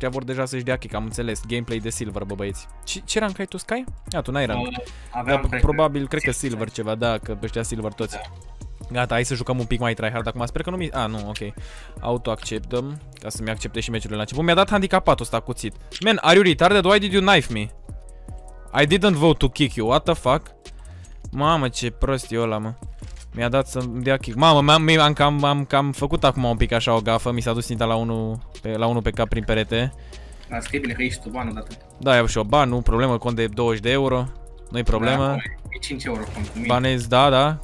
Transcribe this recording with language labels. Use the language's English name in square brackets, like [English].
[Romanian] Ăștia vor deja să-și dea kick, am înțeles. Gameplay de Silver, bă băieți. Ce rank ai tu Sky? Ia, tu n-ai rank. Probabil, cred că Silver ceva, da, că ăștia Silver toți. Gata, hai să jucăm un pic mai tryhard acum, sper că nu mi... A, nu, ok. Auto-acceptăm, ca să-mi accepte și meciurile la început. Mi-a dat handicapatul ăsta cuțit. [English] Man, are you retarded? Why did you knife me? I didn't vote to kick you, what the fuck? [Romanian] Mamă, ce prost e ăla, mă. Mi-a dat să-mi dea kick. Mamă, am făcut acum un pic așa o gafă. Mi s-a dus ținta la unul pe cap prin perete. Da, scrie bine că ești tu banul dată. Da, iau și eu ban, nu problemă, cont de 20 de euro. Nu-i problemă. Da, 5 euro cont. Banezi, da, da.